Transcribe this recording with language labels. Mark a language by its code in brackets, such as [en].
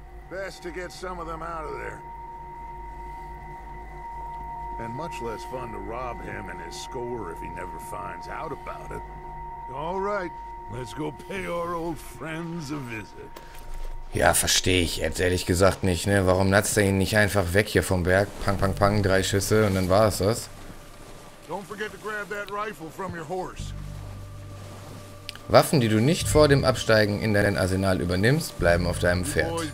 [en] Best to get some of them out of there. And much less fun to rob him and his score if he never finds out about it. All right, let's go pay our old friends a visit. [de] Ja, verstehe ich jetzt ehrlich gesagt nicht, ne? Warum natzt er ihn nicht einfach weg hier vom Berg? Pang, pang, pang, drei Schüsse und dann war es das. [en] Don't forget to grab that rifle from your horse. [de] Waffen, die du nicht vor dem Absteigen in dein Arsenal übernimmst, bleiben auf deinem Pferd.